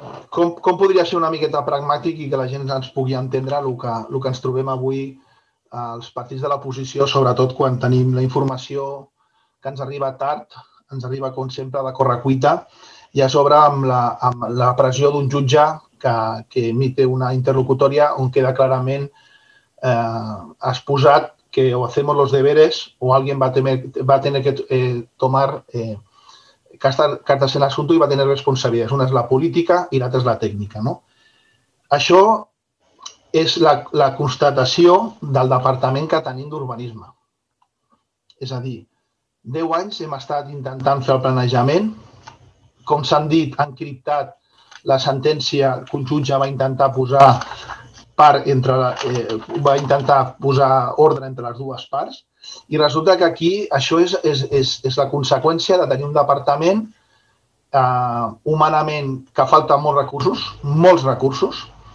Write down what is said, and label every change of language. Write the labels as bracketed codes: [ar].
[ca] Com podria ser una miqueta pragmàtic i que la gent ens pugui entendre el que ens trobem avui als partits de l'oposició, sobretot quan tenim la informació que ens arriba tard, ens arriba, com sempre, de correcuita, i a sobre amb la pressió d'un jutge que emite una interlocutòria on queda clarament exposat que [es] o hacemos los deberes o alguien va a tener que tomar cartas en el asunto y va a tener responsabilidades. Una es la política y la otra es la técnica, ¿no? [ca] Això és la constatació del departament que tenim d'urbanisme. És a dir, 10 anys hem estat intentant fer el planejament, com s'han dit, encriptat, la sentència que un jutge va intentar posar part entre va intentar posar ordre entre les dues parts i resulta que aquí això és la conseqüència de tenir un departament humanament que falta molts recursos.